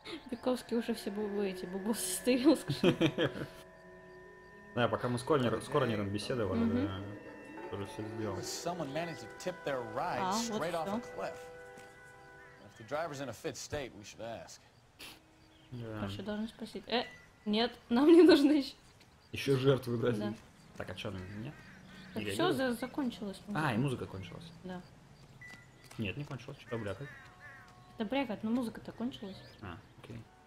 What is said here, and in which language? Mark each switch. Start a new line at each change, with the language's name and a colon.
Russian: Бековский уже все бы эти бубосы стырил, скажи. Да, пока мы с Корнером беседовали, да, тоже все сделали.
English: Someone managed to tip their ride straight off a cliff. If the driver's in a fit state, we should ask.
Russian: Короче, должны спросить. Нет, нам не нужны еще. Еще жертвы брать. Да. Так, а что, нет? Так все закончилось. Музыка. И музыка кончилась. Да. Нет, не кончилось. Что брякать? Да брякать, но музыка-то кончилась. А, окей.